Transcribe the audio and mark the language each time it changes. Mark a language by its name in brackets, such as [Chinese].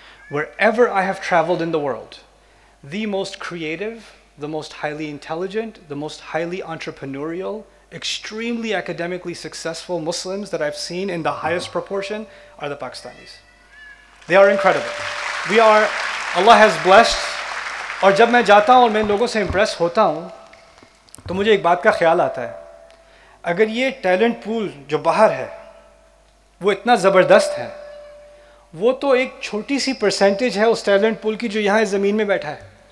[English] Wherever I have travelled in the world, the most creative, the most highly intelligent, the most highly entrepreneurial, extremely academically successful Muslims that I've seen in the highest proportion are the Pakistanis. They are incredible. We are, Allah has blessed. [Urdu] اور جب میں جاتا ہوں اور میں لوگوں سے impress ہوتا ہوں تو مجھے ایک بات کا خیال آتا ہے, اگر یہ ٹیلنٹ پول جو باہر ہے وہ اتنا زبردست ہے, وہ تو ایک چھوٹی سی پرسینٹیج ہے اس ٹیلنٹ پول کی جو یہاں اس زمین میں بیٹھا ہے.